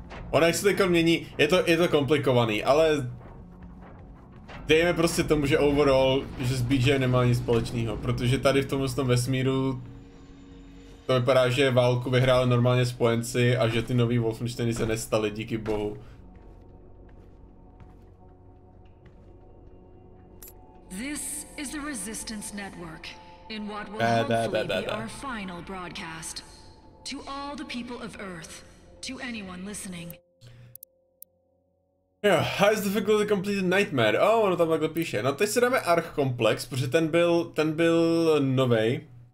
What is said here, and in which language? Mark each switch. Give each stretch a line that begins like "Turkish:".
Czech: Ona jak se teďka mění, je to komplikovaný, ale dejme prostě tomu, že overall, že s BJ nemá nic společného, protože tady v tomhle tom vesmíru to vypadá, že válku vyhráli normálně spojenci a že ty nový Wolfensteiny se nestaly, díky bohu.
English: This is the Resistance Network. In what will hopefully be our final broadcast. To all the people of Earth. To anyone listening. Jo, high is difficult to complete a nightmare.
Czech: Oh, ono tam takhle píše. No teď si dáme Arch Complex, protože ten byl novej.